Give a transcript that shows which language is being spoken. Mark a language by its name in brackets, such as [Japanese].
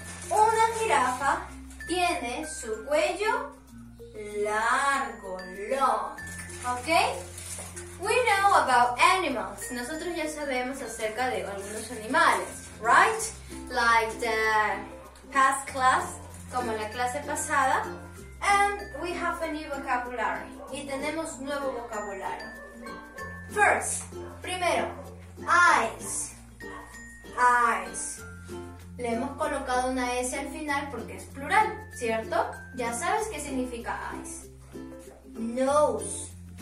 [Spanish] Una jirafa tiene su cuello largo, [English] long. [Spanish] ¿Ok? [English] We know about animals. [Spanish] Nosotros ya sabemos acerca de algunos animales, [English] right? Like the past class, [Spanish] como la clase pasada. [English] And we have a new vocabulary. [Spanish] Y tenemos nuevo vocabulario. [English] First, [Spanish] primero, eyes. Eyes. Le hemos colocado una S al final porque es plural, ¿cierto? Ya sabes qué significa eyes. Nose.